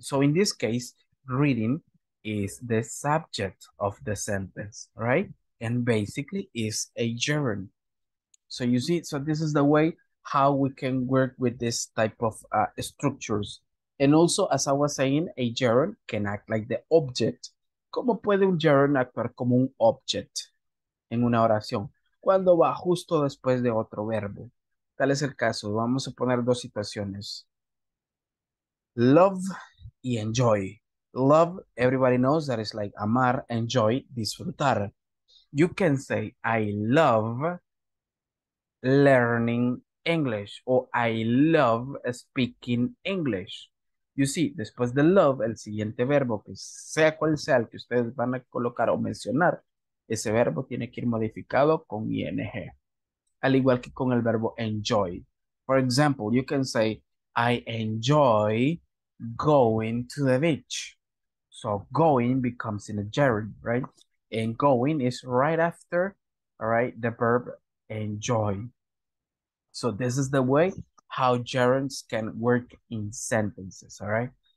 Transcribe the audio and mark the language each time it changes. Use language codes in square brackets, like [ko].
[en] So in this case, reading is the subject of the sentence, right? And basically is a gerund. So you see, so this is the way how we can work with this type of structures. And also, as I was saying, a gerund can act like the object. [es] ¿Cómo puede un gerund actuar como un object en una oración? Cuando va justo después de otro verbo. Tal es el caso. Vamos a poner dos situaciones. Love y enjoy. [en] Love, everybody knows that is like amar, enjoy, disfrutar. You can say, I love learning English, or I love speaking English. [es] You see, después de love, el siguiente verbo, que sea cual sea el que ustedes van a colocar o mencionar, ese verbo tiene que ir modificado con ing, al igual que con el verbo enjoy. [en] For example, you can say, I enjoy going to the beach. So going becomes in a gerund, right? And going is right after, all right, the verb enjoy. So this is the way how gerunds can work in sentences, all right?